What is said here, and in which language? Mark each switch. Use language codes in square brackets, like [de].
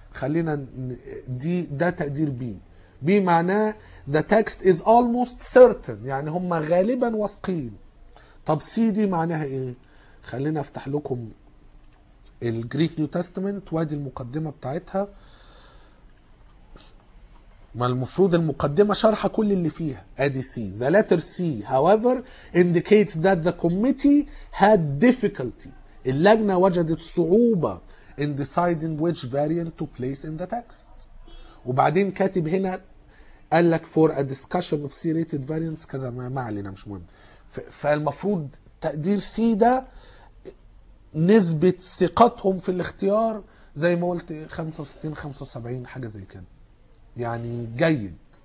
[ar] خلينا دي ده تقدير بي. بي معناه [en] the text is almost certain، [ar] يعني هم غالبا واثقين. طب سي دي معناها ايه؟ خلينا افتح لكم الجريك نيو تستمنت وادي المقدمة بتاعتها. ما المفروض المقدمة شرحة كل اللي فيها. ادي سي. [en] The letter C however indicates that the committee had difficulty. [ar] اللجنة وجدت صعوبة [en] in deciding which variant to place in the text. [ar] وبعدين كاتب هنا قال لك [en] for a discussion of C-rated variants [ar] كذا، ما علينا مش مهم. فالمفروض تقدير سي ده نسبة ثقتهم في الاختيار زي ما قلت 65-75 حاجة زي كده، يعني جيد.